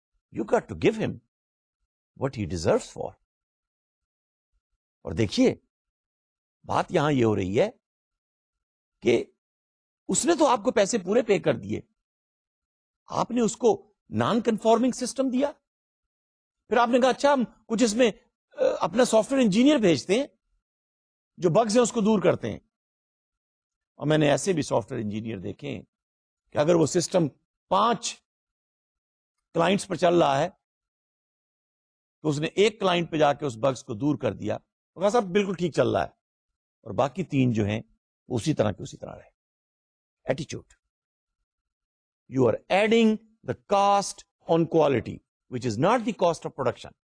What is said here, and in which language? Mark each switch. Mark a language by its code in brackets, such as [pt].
[en] You got to give him what he deserves for. [ur] اور دیکھیے بات یہاں یہ ہو رہی ہے کہ اس نے تو آپ کو پیسے پورے پے کر دیے, آپ نے اس کو نان کنفارمنگ سسٹم دیا, پھر آپ نے کہا اچھا ہم کچھ اس میں اپنا سافٹ ویئر انجینئر بھیجتے ہیں جو بگز ہیں اس کو دور کرتے ہیں. اور میں نے ایسے بھی سافٹ ویئر انجینئر دیکھے کہ اگر وہ سسٹم 5 کلائنٹس پر چل رہا ہے تو اس نے ایک کلائنٹ پہ جا کے اس بگز کو دور کر دیا, کہا صاحب بالکل ٹھیک چل رہا ہے, اور باقی 3 جو ہیں وہ اسی طرح کے اسی طرح رہے. [en] ایٹیچیوڈ, you are adding the cost on quality which is not the cost of production.